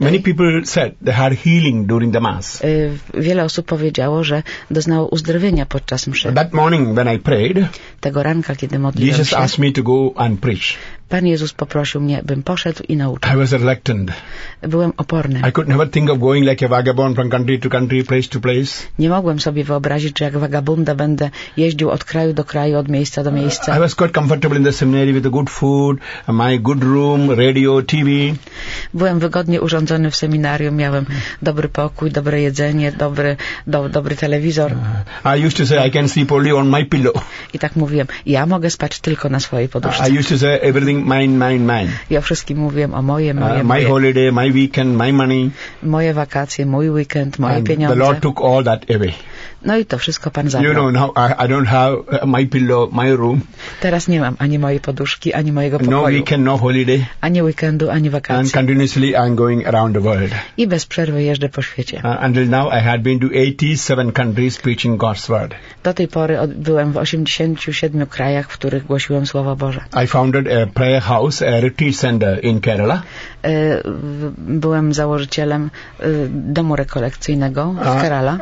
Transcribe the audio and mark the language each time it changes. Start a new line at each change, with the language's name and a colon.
English: many people said they had healing during the mass.
Polish: Wiele osób powiedziało, że doznało uzdrowienia podczas mszy.
English: That morning when I prayed,
Polish: tego ranka, kiedy modliłem się,
English: Jesus asked me to go and preach.
Polish: Pan Jezus poprosił mnie, bym poszedł i nauczył.
English: I was reluctant.
Polish: Byłem oporny.
English: I could never think of going like a vagabond from country to country, place to place.
Polish: Nie mogłem sobie wyobrazić, że jak wagabunda będę jeździł od kraju do kraju, od miejsca do miejsca.
English: I was quite comfortable in the seminary with the good food, my good room, radio, TV.
Polish: Byłem wygodnie urządzony w seminarium, miałem dobry pokój, dobre jedzenie, dobry telewizor.
English: I used to say I can sleep only on my pillow.
Polish: I tak mówiłem, ja mogę spać tylko na swojej poduszce.
English: I used to say everything mine.
Polish: Ja wszystkim mówiłem o
English: my holiday, my weekend, my money.
Polish: Moje wakacje, mój weekend, moje
English: and
Polish: pieniądze.
English: The Lord took all that away.
Polish: No i to wszystko pan zabrał.
English: You know, now I don't have my pillow, my room.
Polish: Teraz nie mam ani mojej poduszki, ani mojego pokoju.
English: No weekend, no holiday.
Polish: Ani weekendu, ani wakacji.
English: And continuously I'm going around the world.
Polish: I bez przerwy jeżdżę po świecie.
English: Until now I had been to 87 countries preaching God's word.
Polish: Do tej pory byłem w 87 krajach, w których głosiłem słowo Boże.
English: I founded a prayer house, a retreat center in Kerala.
Polish: Byłem założycielem domu rekolekcyjnego w Kerala.